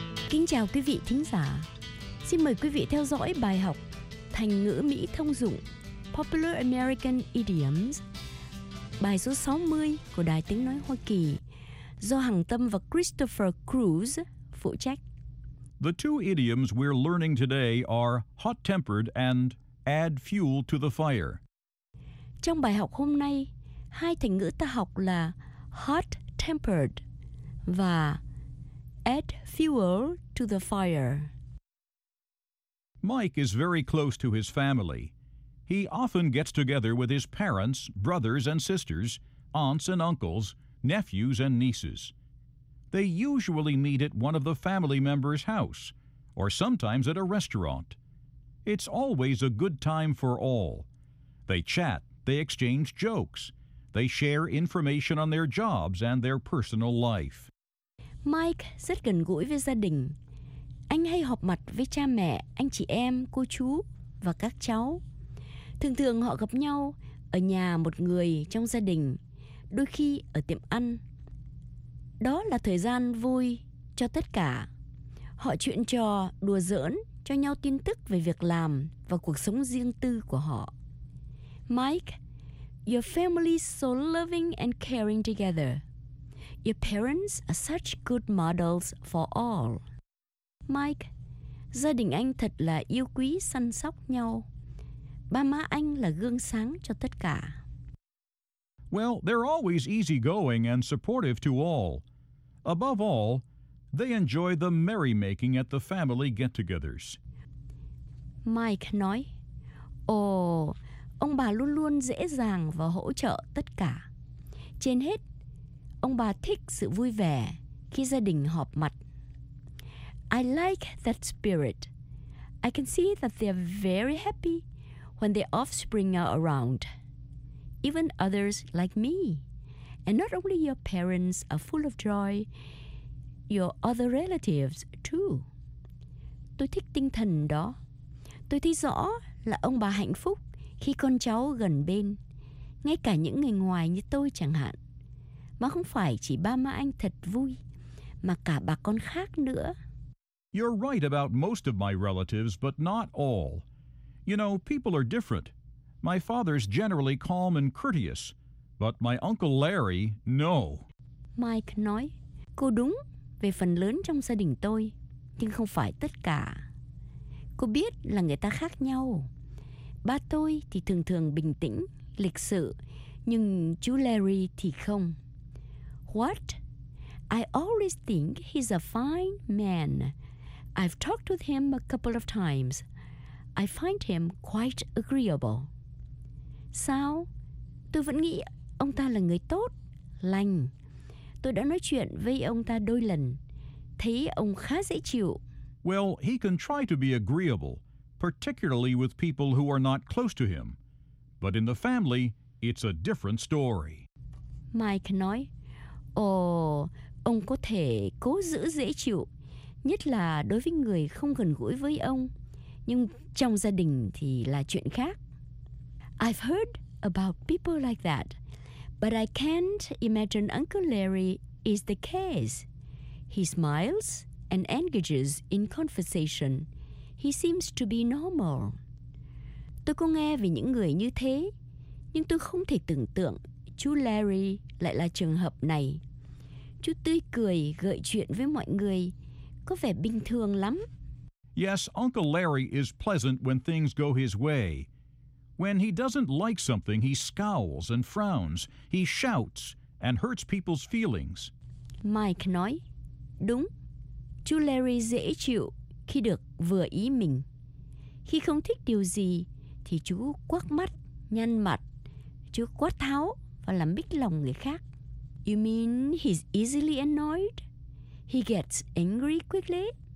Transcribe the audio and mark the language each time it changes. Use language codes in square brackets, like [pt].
[vi] Kính chào quý vị thính giả. Xin mời quý vị theo dõi bài học thành ngữ Mỹ thông dụng Popular American Idioms, bài số 60 của Đài Tiếng Nói Hoa Kỳ do Hằng Tâm và Christopher Cruz phụ trách. [en] The two idioms we're learning today are hot-tempered and add fuel to the fire. [vi] Trong bài học hôm nay, hai thành ngữ ta học là hot-tempered và [en] add fuel to the fire. Mike is very close to his family. He often gets together with his parents, brothers and sisters, aunts and uncles, nephews and nieces. They usually meet at one of the family members' house, or sometimes at a restaurant. It's always a good time for all. They chat, they exchange jokes, they share information on their jobs and their personal life. [vi] Mike rất gần gũi với gia đình. Anh hay họp mặt với cha mẹ, anh chị em, cô chú và các cháu. Thường thường họ gặp nhau ở nhà một người trong gia đình, đôi khi ở tiệm ăn. Đó là thời gian vui cho tất cả. Họ chuyện trò, đùa giỡn, cho nhau tin tức về việc làm và cuộc sống riêng tư của họ. [en] Mike, your family is so loving and caring together. Your parents are such good models for all. [vi] Mike, gia đình anh thật là yêu quý, săn sóc nhau. Ba má anh là gương sáng cho tất cả. [en] Well, they're always easygoing and supportive to all. Above all, they enjoy the merrymaking at the family get-togethers. [vi] Mike nói, ông bà luôn luôn dễ dàng và hỗ trợ tất cả. Trên hết, ông bà thích sự vui vẻ khi gia đình họp mặt. [en] I like that spirit. I can see that they're very happy when their offspring are around. Even others like me. And not only your parents are full of joy, your other relatives too. [vi] Tôi thích tinh thần đó. Tôi thấy rõ là ông bà hạnh phúc khi con cháu gần bên, ngay cả những người ngoài như tôi chẳng hạn. Mà không phải chỉ ba má anh thật vui, mà cả bà con khác nữa. [en] You're right about most of my relatives, but not all. You know, people are different. My father's generally calm and courteous, but my Uncle Larry, no. [vi] Mike nói, cô đúng về phần lớn trong gia đình tôi, nhưng không phải tất cả. Cô biết là người ta khác nhau. Ba tôi thì thường thường bình tĩnh, lịch sự, nhưng chú Larry thì không. [en] What? I always think he's a fine man. I've talked with him a couple of times. I find him quite agreeable. [vi] Sao? Tôi vẫn nghĩ ông ta là người tốt, lành. Tôi đã nói chuyện với ông ta đôi lần. Thấy ông khá dễ chịu. [en] Well, he can try to be agreeable, particularly with people who are not close to him. But in the family, it's a different story. [vi] Mike nói, ông có thể cố giữ dễ chịu, nhất là đối với người không gần gũi với ông. Nhưng trong gia đình thì là chuyện khác. [en] I've heard about people like that, but I can't imagine Uncle Larry is the case. He smiles and engages in conversation. He seems to be normal. [vi] Tôi có nghe về những người như thế, nhưng tôi không thể tưởng tượng chú Larry lại là trường hợp này. Chú tươi cười, gợi chuyện với mọi người, có vẻ bình thường lắm. [en] Yes, Uncle Larry is pleasant when things go his way. When he doesn't like something, he scowls and frowns. He shouts and hurts people's feelings. [vi] Mike nói, đúng, chú Larry dễ chịu khi được vừa ý mình. Khi không thích điều gì, thì chú quắc mắt, nhăn mặt, chú quát tháo và làm bích lòng người khác. [en] You mean he's easily annoyed? He gets angry quickly?